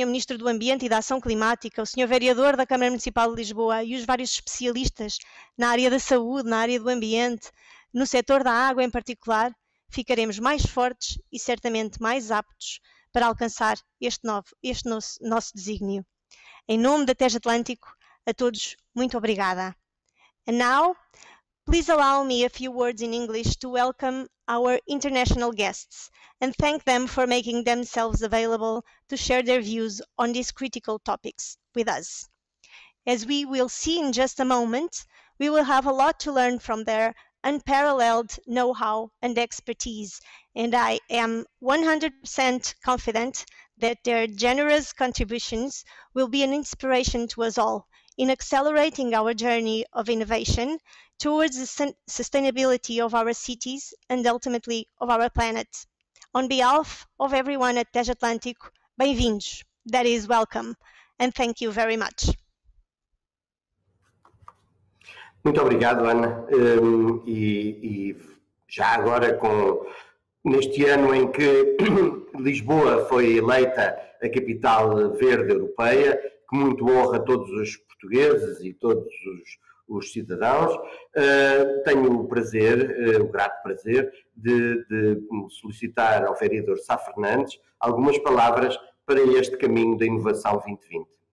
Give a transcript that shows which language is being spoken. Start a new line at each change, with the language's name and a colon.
Portuguese: Ministro do Ambiente e da Ação Climática, o Sr. Vereador da Câmara Municipal de Lisboa e os vários especialistas na área da saúde, na área do ambiente, no setor da água em particular, ficaremos mais fortes e certamente mais aptos para alcançar este nosso desígnio. Em nome da Tejo Atlântico, a todos, muito obrigada.
English: And now, please allow me a few words in English to welcome our international guests and thank them for making themselves available to share their views on these critical topics with us. As we will see in just a moment, we will have a lot to learn from their unparalleled know-how and expertise, and I am 100% confident that their generous contributions will be an inspiration to us all in accelerating our journey of innovation towards the sustainability of our cities and ultimately of our planet. On behalf of everyone at Tejo Atlântico,
Portuguese: bem-vindos,
English: that is, welcome, and thank you very much.
Portuguese: Muito obrigado, Ana, e já agora, neste ano em que Lisboa foi eleita a capital verde europeia, que muito honra todos os portugueses e todos os cidadãos, tenho o prazer, o grato prazer, de solicitar ao vereador Sá Fernandes algumas palavras para este caminho da inovação 2020.